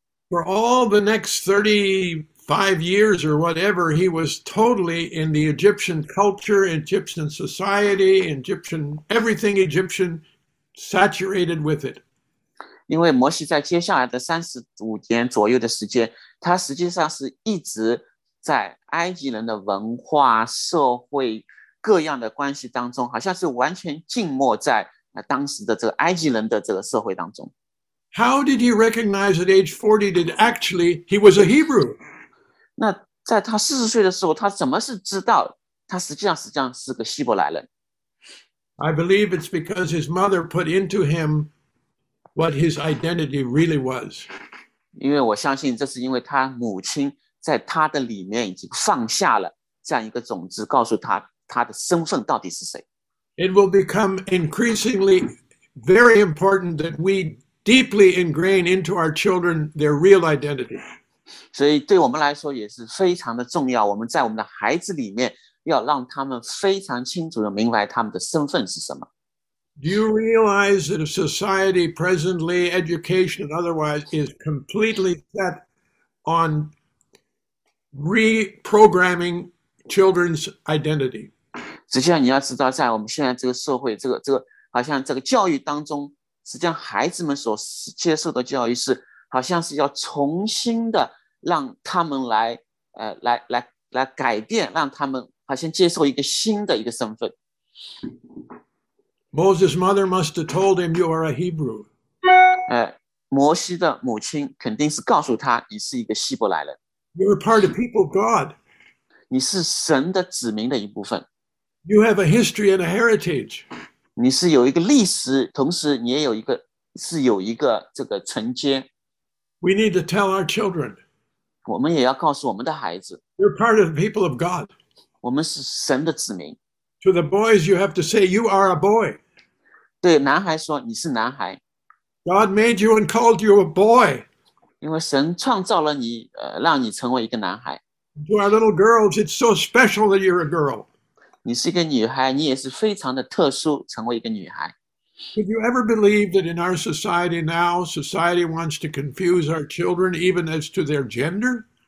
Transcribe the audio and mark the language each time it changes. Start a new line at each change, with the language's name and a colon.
English: For all the next 35 years or whatever, he was totally in the Egyptian culture, Egyptian society, Egyptian, everything Egyptian, saturated with it.
Chinese: 因为摩西在接下来的35年左右的时间，他实际上是一直在埃及人的文化、社会各样的关系当中，好像是完全浸没在当时的这个埃及人的这个社会当中。
English: How did he recognize at age 40 that actually he was a Hebrew?
Chinese: 那在他40岁的时候，他怎么是知道他实际上是个希伯来人？
English: I believe it's because his mother put into him what his identity really was.
Chinese: 因为我相信这是因为他母亲在他的里面已经放下了这样一个种子，告诉他他的身份到底是谁。
English: It will become increasingly very important that we deeply ingrain into our children their real identity.
Chinese: 所以对我们来说也是非常的重要，我们在我们的孩子里面要让他们非常清楚地明白他们的身份是什么。
English: Do you realize that a society presently, education and otherwise, is completely set on reprogramming children's identity?
Chinese: 实际上你要知道，在我们现在这个社会，这个好像这个教育当中，实际上孩子们所接受的教育是好像是要重新的让他们来改变，让他们好像接受一个新的一个身份。
English: Moses' mother must have told him you are a Hebrew.
Chinese: 摩西的母亲肯定是告诉他你是一个希伯来人。
English: You are part of people of God.
Chinese: 你是神的子民的一部分。
English: You have a history and a heritage.
Chinese: 你是有一个历史，同时你也有一个是有一个这个承接。
English: We need to tell our children.
Chinese: 我们也要告诉我们的孩子。
English: You're part of the people of God.
Chinese: 我们是神的子民。
English: To the boys, you have to say you are a boy.
Chinese: 对男孩说你是男孩。
English: God made you and called you a boy.
Chinese: 因为神创造了你，让你成为一个男孩。
English: To our little girls, it's so special that you're a girl.
Chinese: 你是一个女孩，你也是非常的特殊，成为一个女孩。
English: Have you ever believed that in our society now, society wants to confuse our children even as to their gender?